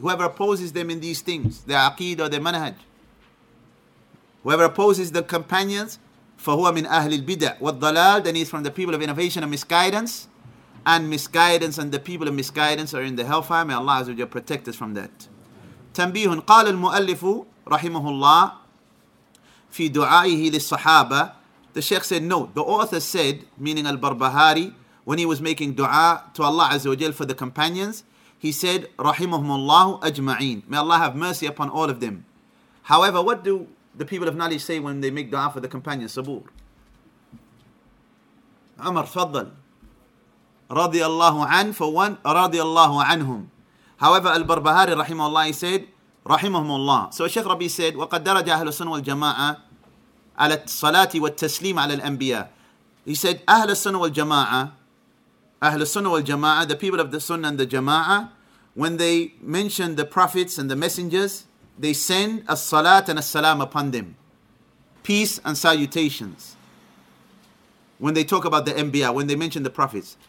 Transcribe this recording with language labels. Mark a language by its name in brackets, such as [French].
[English] Whoever opposes them in these things, their aqidah or their manhaj, whoever opposes the companions, [Arabic] فَهُوَ مِنْ أَهْلِ الْبِدَعِ وَالضَّلَالِ. [English] Then he's from the people of innovation and misguidance. And misguidance and the people of misguidance are in the hellfire. May Allah Azza protect us from that. [Arabic] تَنْبِيهٌ قَالَ الْمُؤَلِّفُ رَحِمَهُ اللَّهُ في دعائه للصحابة. [English] The Sheikh said, no, the author said, meaning Al-Barbahari, when he was making dua to Allah Azza wa Jal for the companions, he said, [Arabic] رحمهم الله أجمعين. [English] May Allah have mercy upon all of them. However, what do the people of knowledge say when they make dua for the companions, Sabur? Umar, faddal. Radiallahu an, for one, radiallahu anhum. However, Al-Barbahari, rahimahullah, he said, rahimahumullah. So, Sheikh Rabi said, [Arabic] وَقَدْ دَرَجَ أَهْلُ السَّنُوَ الْجَمَاعَةِ عَلَى الصَّلَاةِ وَالتَّسْلِيمِ عَلَى الْأَنْبِيَاءِ. [English] He said, [Arabic] أَهْلُ السَّنُوَ وَالْجَمَاعَةِ, [English] أَهْلُ السَّنُوَ وَالْجَمَاعَةِ, the people of the sunnah and the jama'ah, when they mention the prophets and the messengers, they send a salat and a salam upon them. Peace and salutations. When they talk about the Anbiya, when they mention the prophets.